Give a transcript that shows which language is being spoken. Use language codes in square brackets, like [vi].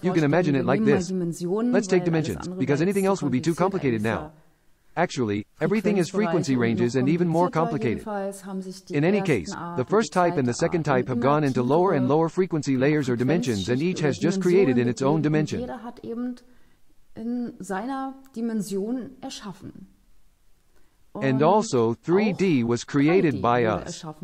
[en] you can imagine it like this. [de] Dimensionen, [en] let's take dimensions, because anything else would be too complicated now. Actually, everything is frequency ranges and even more complicated. In any case, the first type and the second type have gone into lower and lower frequency layers or dimensions, and each has just created in its own dimension. [de] Jeder hat eben in seiner Dimension erschaffen. [en] And also, 3D was created by us.